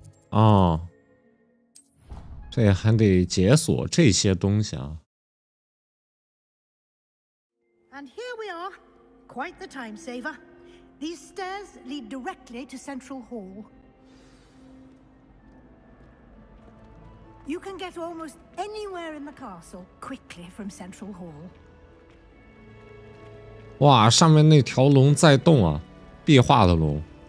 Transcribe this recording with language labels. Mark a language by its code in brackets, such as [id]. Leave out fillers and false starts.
[zh] 哦，这也还得解锁这些东西啊。 [en] And here we are, quite the time saver. These stairs lead directly to Central Hall. You can get almost anywhere in the castle quickly from Central Hall. [zh] 哇，上面那条龙在动啊，壁画的龙。